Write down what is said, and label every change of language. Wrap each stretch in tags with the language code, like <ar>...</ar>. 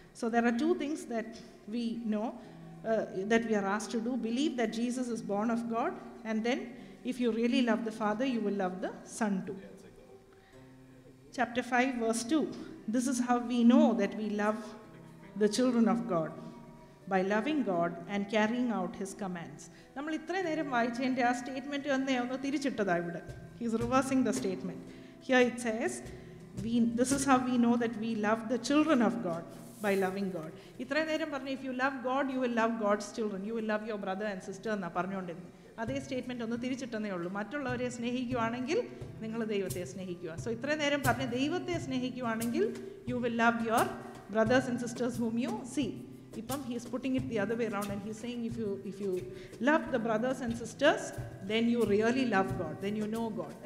<en>So there are two things that we know that we are asked to do. Believe that Jesus is born of God and then if you really love the father you will love the son too. Chapter 5, verse 2. This is how we know that we love the children of God, by loving God and carrying out His commands.</en> <ml>നമ്മൾ ഇത്ര നേരം വായിച്ചതിന്റെ ആ statement തന്നെ ഒന്ന് തിരിച്ചിട്ടതാ ഇവിടെ.</ml> <en>He is reversing the statement. Here it says, this is how we know that we love the children of God, by loving God.</en> <ml>ഇത്ര നേരം പറഞ്ഞു,</ml> <en>if you love God, you will love God's children. You will love your brother and sister</en> <ml>എന്നാ പറഞ്ഞുകൊണ്ടിരുന്നത്. അതേ statement ഒന്ന് തിരിച്ചിട്ടെന്നേ ഉള്ളൂ. മറ്റുള്ളവരെ സ്നേഹിക്കുവാണെങ്കിൽ നിങ്ങൾ ദൈവത്തെ സ്നേഹിക്കുക.</ml> <en>so</en> <ml>ഇത്രയും നേരം പറഞ്ഞ് ദൈവത്തെ സ്നേഹിക്കുവാണെങ്കിൽ</ml> <en>You will love your brothers and sisters whom you see. ഇപ്പം he is putting it the other way round and he saying if you love the brothers and sisters then you really love God, then you know God.</en>